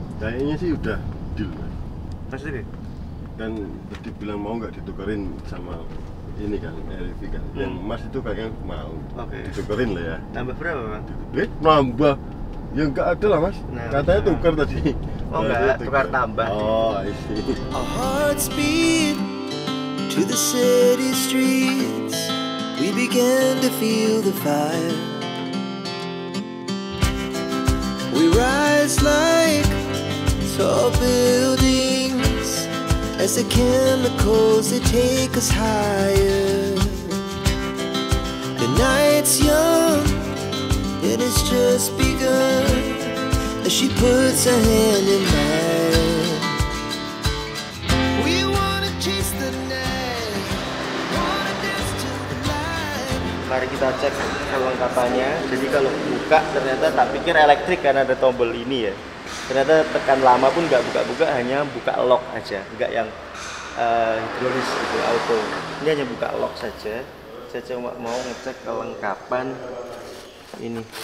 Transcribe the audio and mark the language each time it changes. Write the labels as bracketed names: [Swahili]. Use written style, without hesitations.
[Indonesian] Kayaknya sih udah deal. Maksudnya? Kan tadi bilang mau nggak ditukerin sama ini kan, REV kan. Yang Mas itu kayaknya mau. Okay. Ditukerin lah ya. Tambah berapa, Bang? Nambah Ya enggak ada lah mas, nah, katanya nah. Tukar tadi. Oh enggak, tukar tambah. Oh iya. [English] Our hearts beat to the city streets. We began to feel the fire. We rise like tall buildings as the chemicals they take us higher. The night's young, it has just begun as she puts her hand in mine. We wanna chase the night, wanna dance to the light. [Indonesian] Mari kita cek perlengkapannya. Jadi kalau buka ternyata tak pikir elektrik karena ada tombol ini ya. Ternyata tekan lama pun nggak buka-buka, hanya buka lock aja, nggak yang hidrolis gitu, auto. Ini hanya buka lock saja. Saya cuma mau ngecek kelengkapan ini.